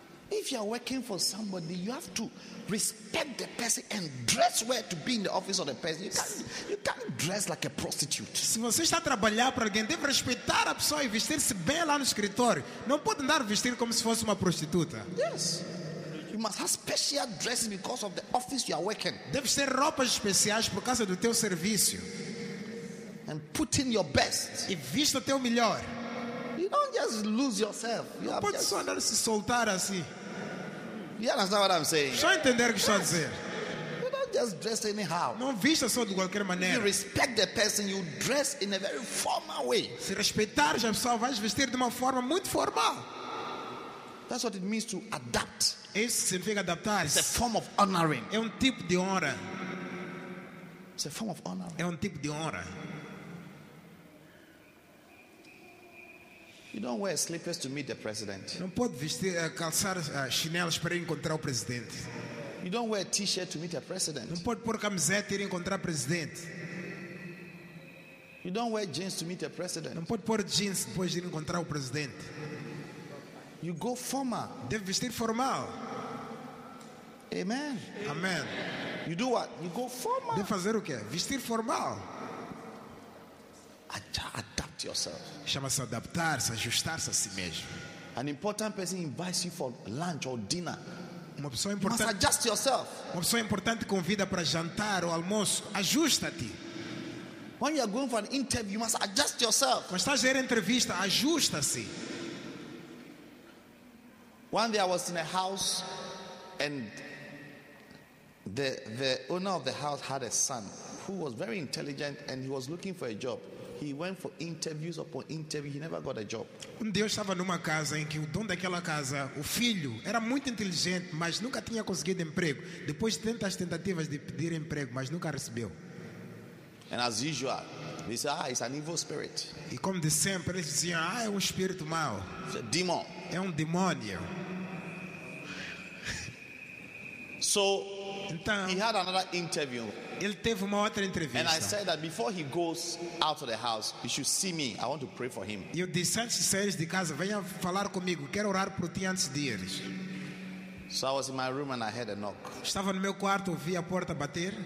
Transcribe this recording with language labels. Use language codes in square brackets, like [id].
[en] If you are working for somebody, you have to respect the person and dress well to be in the office of the person. You can't dress like a prostitute. [pt] Se você está a trabalhar para alguém, deve respeitar a pessoa e vestir-se bem lá no escritório. Não pode andar vestido como se fosse uma prostituta. [en] Yes. You must have special dresses because of the office you are working. [pt] Deve ter roupas especiais por causa do teu serviço. [en] And put in your best. [pt] E vista o teu melhor. [en] You don't just lose yourself. You [pt] não pode [en] just... [pt] só andar se soltar assim. [en] You understand what I'm saying? [pt] Só entender o que estou a dizer. [en] You don't just dress anyhow. [pt] Não vista só de qualquer maneira. [en] You respect the person, you dress in a very formal way. [pt] Se respeitar a pessoa, vais vestir de uma forma muito formal. [en] That's what it means to adapt. [pt] Isso significa adaptar. [en] It's a form of honoring. [pt] É tipo de honra. [en] It's a form of honor. [pt] É tipo de honra. [en] You don't wear slippers to meet the president. [pt] Não pode vestir calçar chinelos para encontrar o presidente. [en] You don't wear a t-shirt to meet a president. [pt] Não pode pôr camiseta e ir encontrar o presidente. [en] You don't wear jeans to meet a president. [pt] Não pode pôr jeans depois de ir encontrar o presidente. [en] You go formal. [pt] Deve vestir formal. Amen. Amen. [en] You do what? You go formal. [pt] Deve fazer o quê? Vestir formal. [en] Adapt yourself. [pt] Chama-se adaptar-se, ajustar-se a si mesmo. [en] An important person invites you for lunch or dinner. [pt] Uma pessoa importante. [en] You must adjust yourself. [pt] Uma pessoa importante convida para jantar ou almoço. Ajusta-te. [en] When you are going for an interview, you must adjust yourself. [pt] Quando estás a ir à entrevista, ajusta-se. [en] One day I was in a house and the owner of the house had a son who was very intelligent and he was looking for a job. He went for interviews upon interview. He never got a job. [pt] Dia eu estava numa casa em que o dono daquela casa, o filho, era muito inteligente, mas nunca tinha conseguido emprego. Depois de tantas tentativas de pedir emprego, mas nunca recebeu. [en] And as usual, he said, "Ah, it's an evil spirit." [pt] E como de sempre, eles diziam, "Ah, é espírito mau." [en] It's a demon. [pt] É demônio. [en] So, [pt] então, [en] he had another interview. [pt] Ele teve uma outra entrevista. [en] And I said that before he goes out of the house, he should see me. I want to pray for him. [pt] E eu disse, antes de sair de casa, venha falar comigo. Quero orar por ti antes de ires. [en] So I was in my room and I heard a knock. [pt] Estava no meu quarto, ouvi a porta bater.